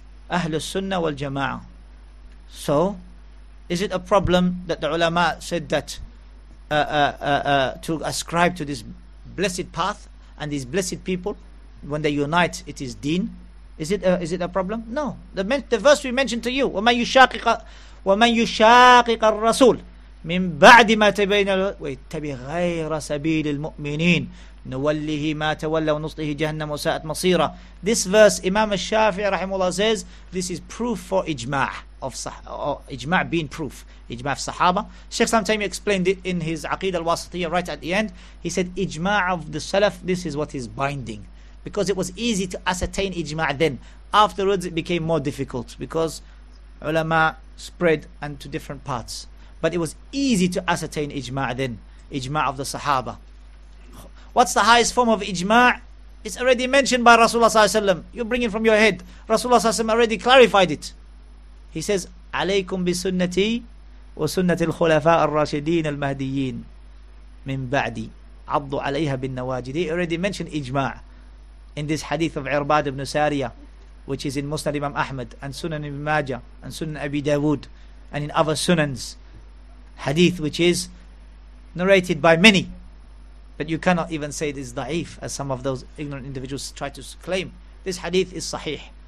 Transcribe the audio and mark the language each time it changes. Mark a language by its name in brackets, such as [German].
[English] Ahlul Sunnah wal-Jama'ah. So, is it a problem that the ulama said that to ascribe to this blessed path and these blessed people, when they unite, it is deen? Is it a problem? No. The verse we mentioned to you, [Arabic] وَمَنْ يُشَاقِقَ الرَّسُولِ مِنْ بَعْدِ مَا تَبَيْنَ وَيَتَّبِ غَيْرَ سَبِيلِ الْمُؤْمِنِينَ نُوَلِّهِ مَا تَوَلَّ وَنُصْلِهِ جَهَنَّمَ وَسَاءَتْ مَصِيرًا. [English] This verse, Imam al-Shafi'i rahimullah says, this is proof for ijma' of ijma' being proof. Ijma' of sahaba. Sheikh sometime explained it in his Aqeedah al-Wasitiyah right at the end. He said, ijma' of the salaf, this is what is binding. Because it was easy to ascertain ijma' then. Afterwards, it became more difficult because ulama spread and to different parts. But it was easy to ascertain ijma' then, ijma' of the Sahaba. What's the highest form of ijma'? It's already mentioned by Rasulullah Sallallahu Alaihi Wasallam. You bring it from your head. Rasulullah Sallallahu Alaihi Wasallam already clarified it. He says, [Arabic] عليكم بسنتي وسنت الخلفاء الراشدين المهديين من بعدي عضوا عليها بالنواجد. [English] He already mentioned ijma' in this hadith of Irbad ibn Sariyah, which is in Musnad Imam Ahmad, and Sunan Ibn Majah, and Sunan Abi Dawood, and in other Sunans. Hadith which is narrated by many, but you cannot even say it is da'if, as some of those ignorant individuals try to claim. This hadith is sahih.